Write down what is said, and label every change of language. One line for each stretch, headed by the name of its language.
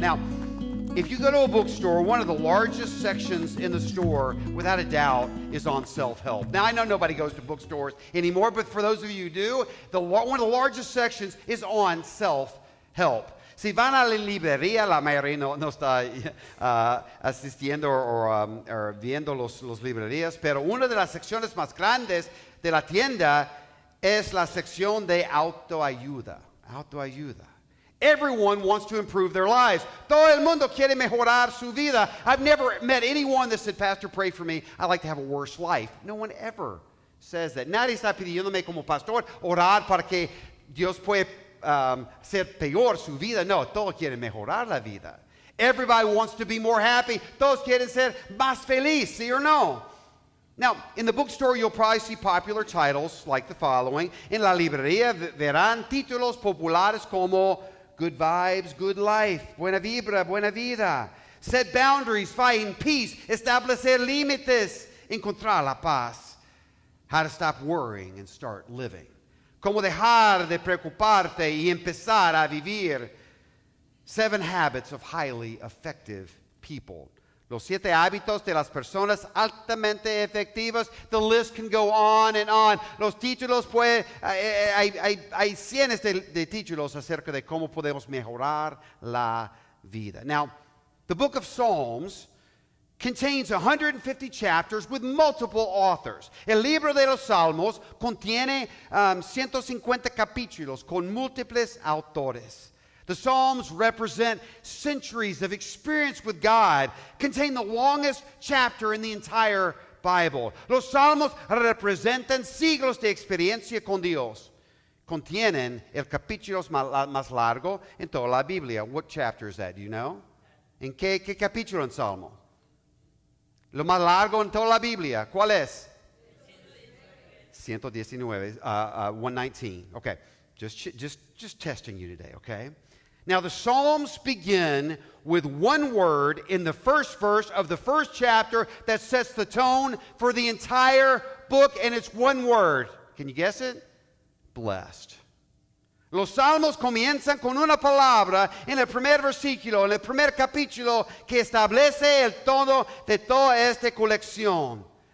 English: Now, if you go to a bookstore, one of the largest sections in the store, without a doubt, is on self-help. Now, I know nobody goes to bookstores anymore, but for those of you who do, one of the largest sections is on self-help.
Spanish: Si van a la librería, la mayoría no está asistiendo or viendo los librerías, pero una de las secciones más grandes de la tienda es la sección de autoayuda. Autoayuda.
English: Everyone wants to improve their lives.
Spanish: Todo el mundo quiere mejorar su vida.
English: I've never met anyone that said, "Pastor, pray for me. I'd like to have a worse life." No one ever says that.
Spanish: Nadie está pidiéndome como pastor orar para que Dios pueda ser peor su vida. No, todos quieren mejorar la vida.
English: Everybody wants to be more happy.
Spanish: Todos quieren ser más feliz, ¿sí or no?
English: Now, in the bookstore, you'll probably see popular titles like the following.
Spanish: En la librería verán títulos populares como
English: Good Vibes, Good Life,
Spanish: Buena Vibra, Buena Vida.
English: Set boundaries, find peace,
Spanish: establecer límites, encontrar la paz.
English: How to stop worrying and start living.
Spanish: Cómo dejar de preocuparte y empezar a vivir.
English: 7 habits of highly effective people.
Spanish: Los 7 hábitos de las personas altamente efectivas.
English: The list can go on and on.
Spanish: Los títulos, pues, hay cientos de títulos acerca de cómo podemos mejorar la vida.
English: Now, the book of Psalms contains 150 chapters with multiple authors.
Spanish: El libro de los Salmos contiene 150 capítulos con múltiples autores.
English: The Psalms represent centuries of experience with God, contain the longest chapter in the entire Bible.
Spanish: Los Salmos representan siglos de experiencia con Dios. Contienen el capítulo más largo en toda la Biblia.
English: What chapter is that? Do you know?
Spanish: ¿En qué capítulo en Salmo? Lo más largo en toda la Biblia. ¿Cuál es? 119.
English: Okay. Just testing you today, okay? Now, the Psalms begin with one word in the first verse of the first chapter that sets the tone for the entire book, and it's one word. Can you guess it? Blessed.
Spanish: Los Salmos comienzan con una palabra en el primer versículo, en el primer capítulo, que establece el tono de toda esta colección.